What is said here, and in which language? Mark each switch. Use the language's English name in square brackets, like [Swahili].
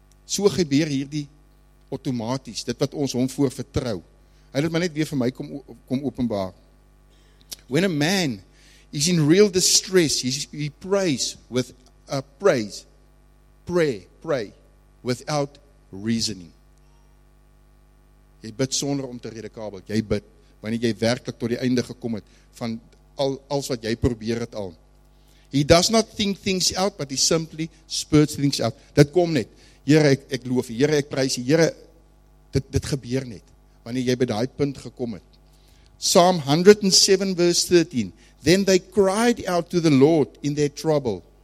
[Afrikaans] So gebeur hierdie automaties, dit wat ons hom voor vertrou. Hy het maar net weer vir my kom openbaar. [English] When a man is in real distress, he prays with a praise, pray without reasoning. [Afrikaans] Jy bid sonder om te redekabel. Jy bid, wanneer jy werkelijk tot die einde gekom het, van alles wat jy probeer het al. [English] He does not think things out, but he simply spurts things out. Dit kom net. [Afrikaans] Here, ek loof, Here, ek prys, Here, dit gebeur net, wanneer jy by daai punt gekom het. [English] Psalm 107 verse 13, then they cried out to the Lord in their trouble.